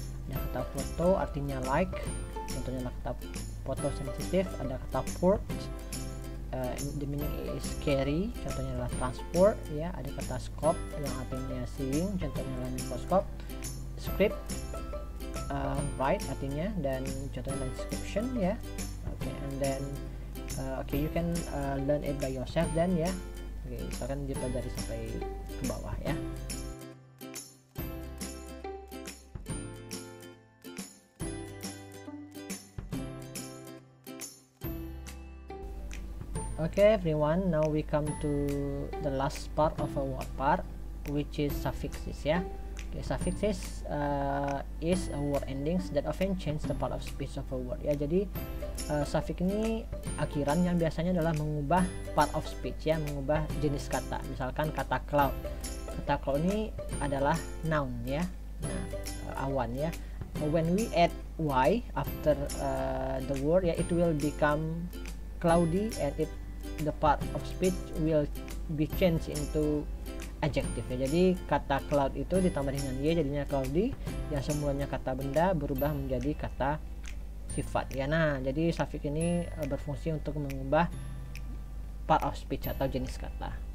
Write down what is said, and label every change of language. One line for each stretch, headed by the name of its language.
Indonesian: Ada kata photo artinya like, contohnya adalah kata photosensitive. Ada kata port the meaning is carry, contohnya adalah transport ya. Ada kata scope yang artinya seeing, contohnya adalah mikroskop. Script write artinya, dan contohnya adalah description ya.
English: Okay, and then okay, you can learn it by yourself then ya.
Indonesian: Okay, silakan dipelajari sampai ke bawah ya.
English: Okay everyone, now we come to the last part of our word part, which is suffixes ya. Okay, suffixes is a word endings that often change the part of speech of a word ya.
Indonesian: Jadi suffix ini akhiran yang biasanya adalah mengubah part of speech ya, mengubah jenis kata. Misalkan kata cloud, kata cloud ini adalah noun ya, nah, awan ya.
English: When we add y after the word ya, it will become cloudy and it the part of speech will be changed into adjective ya.
Indonesian: Jadi kata cloud itu ditambah dengan y jadinya cloudy, yang semuanya kata benda berubah menjadi kata sifat ya. Nah, jadi suffix ini berfungsi untuk mengubah part of speech atau jenis kata.